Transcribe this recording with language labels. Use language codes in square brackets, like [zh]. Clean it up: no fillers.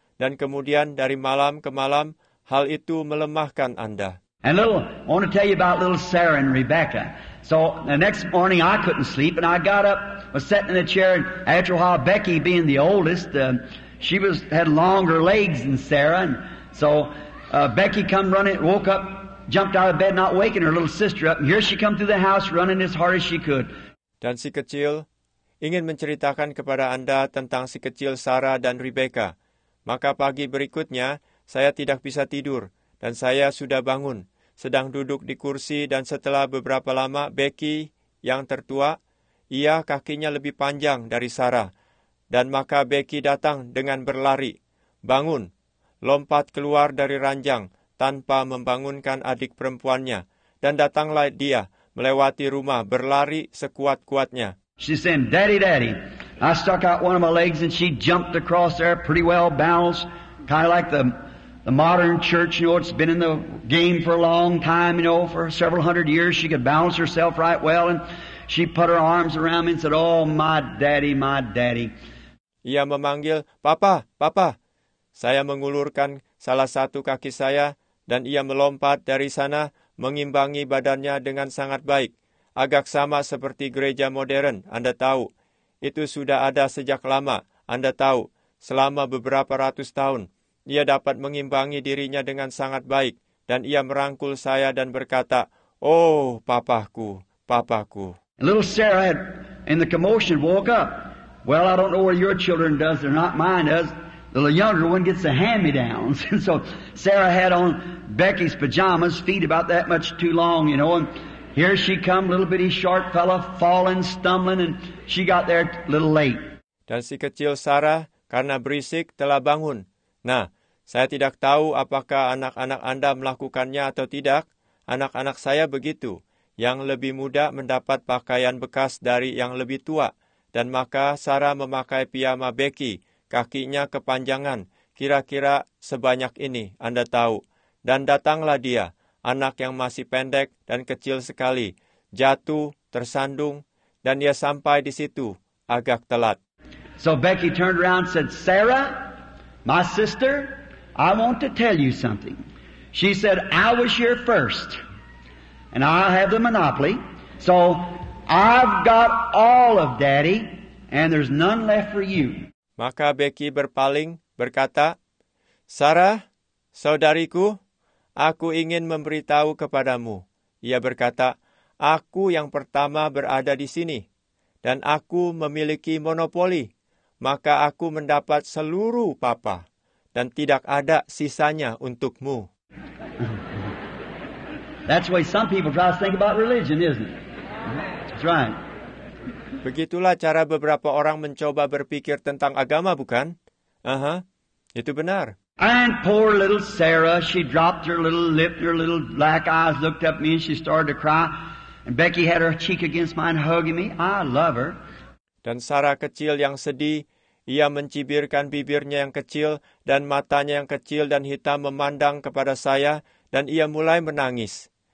[id] Dan kemudian dari malam ke malam, hal itu melemahkan Anda. [en] And little, I want to tell you about little Sarah and Rebecca. So the next morning I couldn't sleep and I got up, was sitting in a chair, and after a while Becky being the oldest, she was had longer legs than Sarah, and so Becky come running, woke up, jumped out of bed, not waking her little sister up, and here she come through the house running as hard as she could. [id] Dan si kecil ingin menceritakan kepada Anda tentang si kecil Sarah dan Rebecca. Maka pagi berikutnya, saya tidak bisa tidur, dan saya sudah bangun. Sedang duduk di kursi, dan setelah beberapa lama, Becky, yang tertua, ia kakinya lebih panjang dari Sarah. Dan maka Becky datang dengan berlari, bangun, lompat keluar dari ranjang, tanpa membangunkan adik perempuannya. Dan datanglah dia, melewati rumah, berlari sekuat-kuatnya. [en] She said, "Daddy, Daddy, I stuck out one of my legs and she jumped across there pretty well balanced, kind of like the modern church, you know, it's been in the game for a long time, you know, for several hundred years, she could balance herself right well and she put her arms around me and said, 'Oh, my daddy, my daddy.'" [id] Ia memanggil, "Papa, Papa." Saya mengulurkan salah satu kaki saya dan ia melompat dari sana mengimbangi badannya dengan sangat baik. Agak sama seperti gereja modern, Anda tahu. Itu sudah ada sejak lama, Anda tahu. Selama beberapa ratus tahun, ia dapat mengimbangi dirinya dengan sangat baik. Dan ia merangkul saya dan berkata, "Oh, papaku, papaku." [en] Little Sarah had, in the commotion, woke up. "Well, I don't know where your children does, they're not mine does. The younger one gets the hand-me-downs." And so Sarah had on Becky's pajamas, feet about that much too long, you know, and here she come, little bitty short fella, falling, stumbling, and she got there a little late. [id] Dan si kecil Sarah, karena berisik, telah bangun. Nah, saya tidak tahu apakah anak-anak Anda melakukannya atau tidak. Anak-anak saya begitu. Yang lebih muda mendapat pakaian bekas dari yang lebih tua. Dan maka Sarah memakai piyama Becky, kakinya kepanjangan, kira-kira sebanyak ini, Anda tahu. Dan datanglah dia, anak yang masih pendek dan kecil sekali, jatuh, tersandung, dan ia sampai di situ, agak telat. [en] So Becky turned around and said, "Sarah, my sister, I want to tell you something." She said, "I was here first, and I have the monopoly, so I've got all of Daddy, and there's none left for you." [id] Maka Becky berpaling, berkata, "Sarah, saudariku, aku ingin memberitahu kepadamu." Ia berkata, "Aku yang pertama berada di sini, dan aku memiliki monopoli, maka aku mendapat seluruh papa, dan tidak ada sisanya untukmu." [en] That's why some people try to think about religion, isn't it? That's right. [id] Begitulah cara beberapa orang mencoba berpikir tentang agama, bukan? Itu benar. [en] And poor little Sarah, she dropped her little lip, her little black eyes, looked up at me, and she started to cry. And Becky had her cheek against mine, hugging me. I love her. [id] Dan Sarah kecil yang sedih, ia mencibirkan bibirnya yang kecil, dan matanya yang kecil dan hitam memandang kepada saya, dan ia mulai menangis.